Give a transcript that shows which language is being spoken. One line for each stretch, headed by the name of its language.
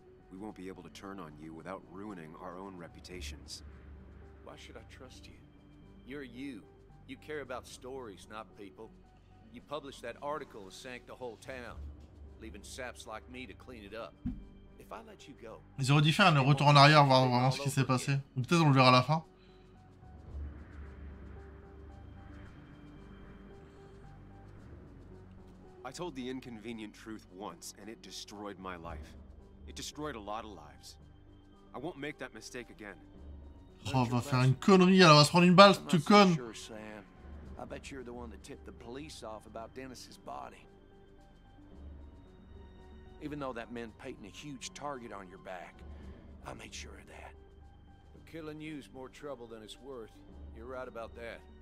English: We won't be able to turn on you without ruining our own reputations. Why should I trust you? You're you. You care about stories, not people. You published that article and sank the whole town, leaving saps like me to clean it up. If I let you go,
French: ils auraient dû faire un retour en arrière, voir vraiment ce qui s'est passé. Ou peut-être on le verra à la fin.
English: I told the inconvenient truth once, and it destroyed my life. It destroyed a lot of lives. I won't make that mistake again.
French: Oh, va faire une connerie, elle va se prendre une balle, tu con.
English: Sure, Sam. I bet you're the one that tipped the police off about Dennis's body. Even though that meant painting a huge target on your back, I made sure of that. But killing you is more trouble than it's worth. You're right about that.